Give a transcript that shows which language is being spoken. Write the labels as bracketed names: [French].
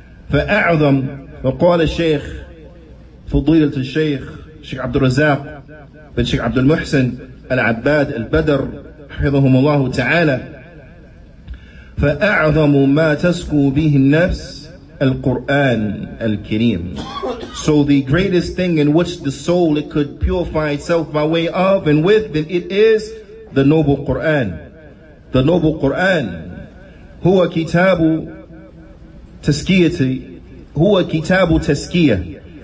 [Arabic] فَأَعْظَمْ, وَقَالَ الشَّيْخ فُضِيلَةُ الشَّيْخ شيخ عبد الرزاق بن شيخ عبد المحسن العباد البدر حفظهم الله تعالى, فأعظم ما تسكو به النفس القرآن الكريم. [English] So the greatest thing in which the soul it could purify itself by way of and with, then it is the noble Quran. The noble Quran. [Arabic] هو كتاب تسكية, هو كتاب تسكية.